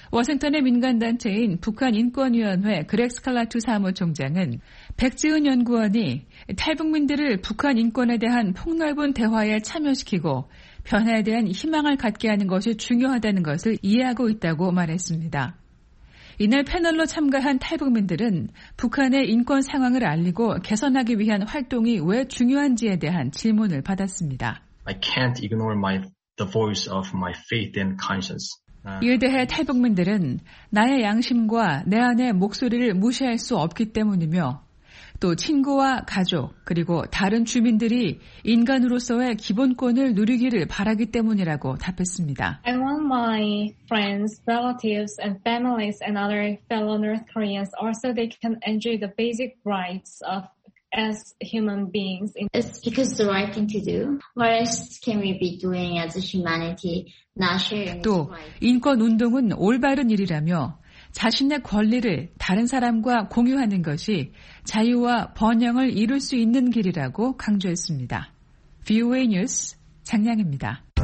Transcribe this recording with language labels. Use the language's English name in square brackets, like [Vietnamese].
[Korean] 워싱턴의 민간단체인 북한인권위원회 그렉 스칼라투 사무총장은 백지은 연구원이 탈북민들을 북한인권에 대한 폭넓은 대화에 참여시키고 변화에 대한 희망을 갖게 하는 것이 중요하다는 것을 이해하고 있다고 말했습니다. 이날 패널로 참가한 탈북민들은 북한의 인권 상황을 알리고 개선하기 위한 활동이 왜 중요한지에 대한 질문을 받았습니다. [English] I can't ignore the voice of my faith and conscience. [Korean] 이에 대해 탈북민들은 나의 양심과 내 안의 목소리를 무시할 수 없기 때문이며 또 친구와 가족 그리고 다른 주민들이 인간으로서의 기본권을 누리기를 바라기 때문이라고 답했습니다. [English] I want my friends, relatives, and families and other fellow North Koreans also they can enjoy the basic rights of as human beings. It's because the right thing to do. What else can we be doing as a humanity? Not sharing. [Korean] 또 인권 운동은 올바른 일이라며. 자신의 권리를 다른 사람과 공유하는 것이 자유와 번영을 이룰 수 있는 길이라고 강조했습니다. VOA 뉴스 장량입니다.